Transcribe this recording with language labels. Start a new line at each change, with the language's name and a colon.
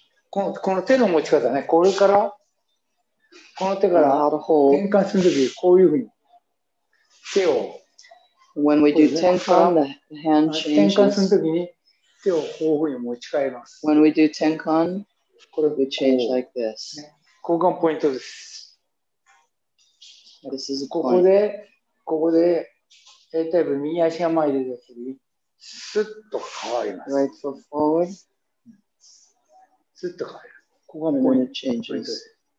Japanese: この手の持ち方ね、これから、この手から転換するとき、こういうふうに手を。
English: When we do tenkan, the hand changes.
Japanese: 転換するときに手をこういうふうに持ち替えます。
English: When we do tenkan, we change like this.
Japanese: ここがポイントです。
English: This is
Japanese: ここで、例えば右足が前に出たとき、スッと変わります。
English: Right foot forward.
Japanese: スッと変わる。ここがポイントです。